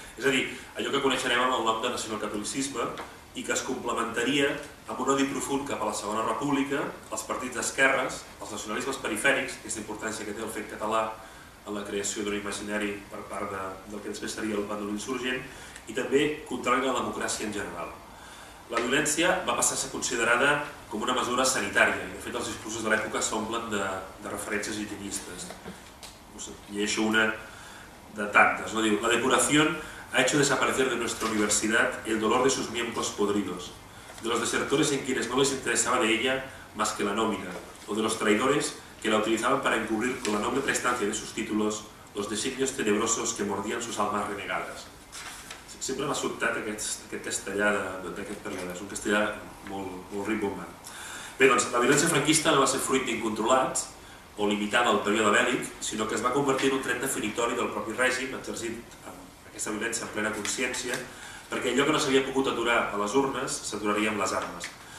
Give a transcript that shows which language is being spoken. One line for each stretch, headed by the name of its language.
Catalan: És a dir, allò que coneixerem amb el nom de nacionalcatolicisme i que es complementaria amb un odi profund cap a la Segona República, els partits d'esquerres, els nacionalismes perifèrics, aquesta importància que té el fet català en la creació d'un imaginari per part del que després seria el bàndol insurgent, i també contrari a la democràcia en general. La violència va passar a ser considerada com una mesura sanitària, i de fet els discursos de l'època s'omplen de referències itinistes. Us llegeixo una de tantes, no? Diu:
Spanish: la depuración ha hecho desaparecer de nuestra universidad el dolor de sus miembros podridos, de los desertores en quienes no les interesaba de ella más que la nómina, o de los traidores que la utilizaban para encubrir con la noble prestancia de sus títulos los designios tenebrosos que mordían sus almas renegadas.
Catalan: Sempre m'ha sobtat aquest castellà d'aquest període, és un castellà molt, molt rimbombant. Bé, doncs, la violència franquista no va ser fruit d'incontrolats o limitada al període bèl·lic, sinó que es va convertir en un tret definitori del propi règim, exercint aquesta violència en plena consciència, perquè allò que no s'havia pogut aturar a les urnes s'aturaria amb les armes.